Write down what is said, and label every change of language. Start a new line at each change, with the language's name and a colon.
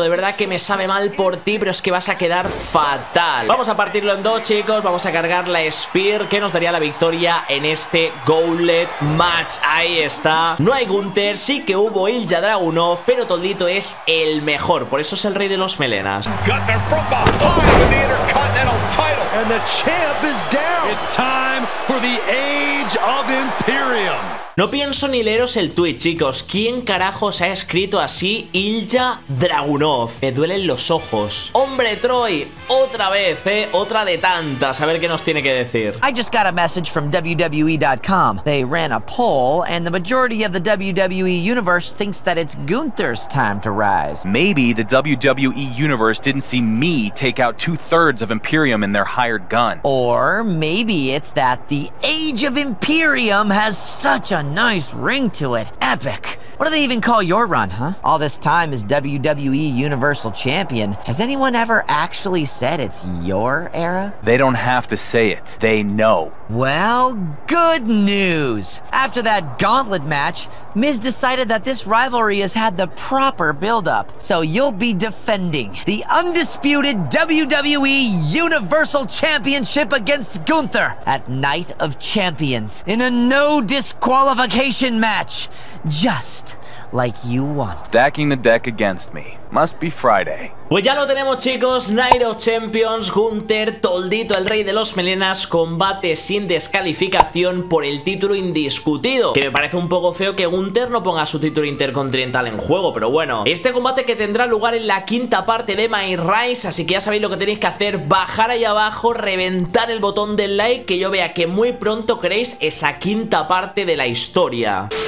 Spanish: De verdad que me sabe mal por ti, pero es que vas a quedar fatal. Vamos a partirlo en dos, chicos, vamos a cargar la Spear, que nos daría la victoria en este Gauntlet Match. Ahí está. No hay Gunther, sí que hubo Ilja Dragunov, pero Toldito es el mejor, por eso es el rey de los melenas.
English: Gunther from behind with the Intercontinental title. And the champ is down. It's time for the Age of Imperium.
Spanish: No pienso ni leeros el tweet, chicos. ¿Quién carajos ha escrito así Ilja Dragunov? Me duelen los ojos. Hombre, Troy, otra vez, otra de tantas. A ver qué nos tiene que decir.
English: I just got a message from WWE.com. They ran a poll and the majority of the WWE universe thinks that it's Gunther's time to rise. Maybe the WWE universe didn't see me take out 2/3 of Imperium in their hired gun. Or maybe it's that the Age of Imperium has such a nice ring to it. Epic. What do they even call your run, huh? All this time as WWE Universal Champion, has anyone ever actually said it's your era? They don't have to say it. They know. Well, good news. After that gauntlet match, Miz decided that this rivalry has had the proper build-up. So you'll be defending the undisputed WWE Universal Championship against Gunther at Night of Champions in a no disqualification match. Just like you want. Stacking the deck against me. Must be Friday.
Spanish: Pues ya lo tenemos, chicos, Night of Champions, Gunther, Toldito, el rey de los melenas, combate sin descalificación por el título indiscutido. Que me parece un poco feo que Gunther no ponga su título intercontinental en juego, pero bueno. Este combate que tendrá lugar en la quinta parte de My Rise, así que ya sabéis lo que tenéis que hacer, bajar ahí abajo, reventar el botón del like, que yo vea que muy pronto queréis esa quinta parte de la historia.